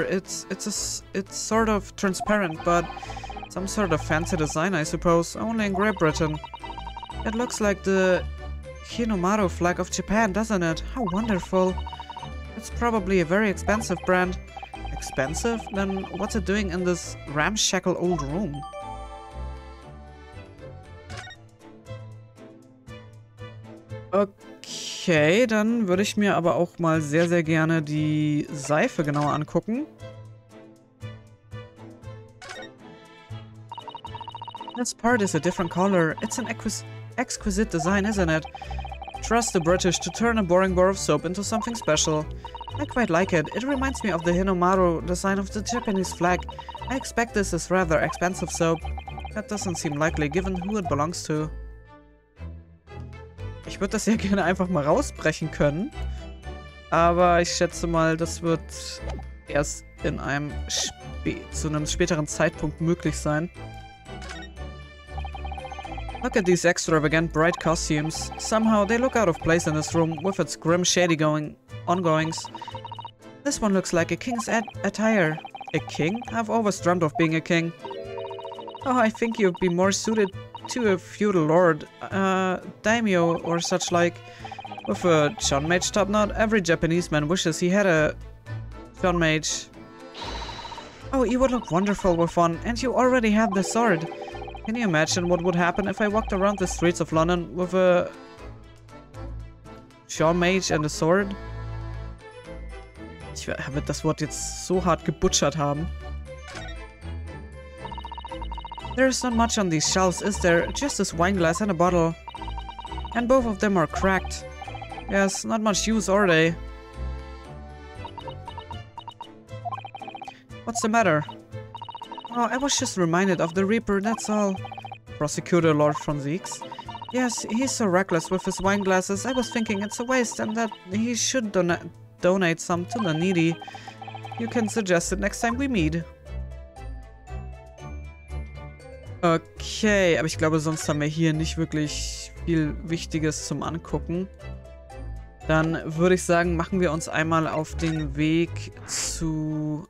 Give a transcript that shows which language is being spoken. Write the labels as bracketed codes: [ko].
[en] It's sort of transparent, but some sort of fancy design, I suppose, only in Great Britain. It looks like the Hinomaru flag of Japan, doesn't it? How wonderful. It's probably a very expensive brand. Expensive? Then what's it doing in this ramshackle old room? [de] Okay, dann würde ich mir aber auch mal sehr, sehr gerne die Seife genauer angucken. [en] This part is a different color. It's an exquisite design, isn't it? Trust the British to turn a boring bar of soap into something special. I quite like it. It reminds me of the Hinomaru design of the Japanese flag. I expect this is rather expensive soap. That doesn't seem likely, given who it belongs to. [de] Ich würde das ja gerne einfach mal rausbrechen können. Aber ich schätze mal, das wird erst in einem späteren Zeitpunkt möglich sein. [en] Look at these extravagant bright costumes. Somehow they look out of place in this room with its grim shady ongoings. This one looks like a king's attire. A king? I've always dreamt of being a king. Oh, I think you'd be more suited to a feudal lord, daimyo or such like. With a chunmage topknot, every Japanese man wishes he had a chunmage. Oh, you would look wonderful with one, and you already have the sword. Can you imagine what would happen if I walked around the streets of London with a chunmage and a sword? [de] Ich werde das Wort jetzt so hart gebutschert haben. [en] There's not much on these shelves, is there? Just this wine glass and a bottle. And both of them are cracked. Yes, not much use, are they? What's the matter? Oh, I was just reminded of the Reaper, that's all. Prosecutor Lord von Ziegs? Yes, he's so reckless with his wine glasses, I was thinking it's a waste and that he should donate some to the needy. You can suggest it next time we meet. [de] Okay, aber ich glaube, sonst haben wir hier nicht wirklich viel Wichtiges zum Angucken. Dann würde ich sagen, machen wir uns einmal auf den Weg zu...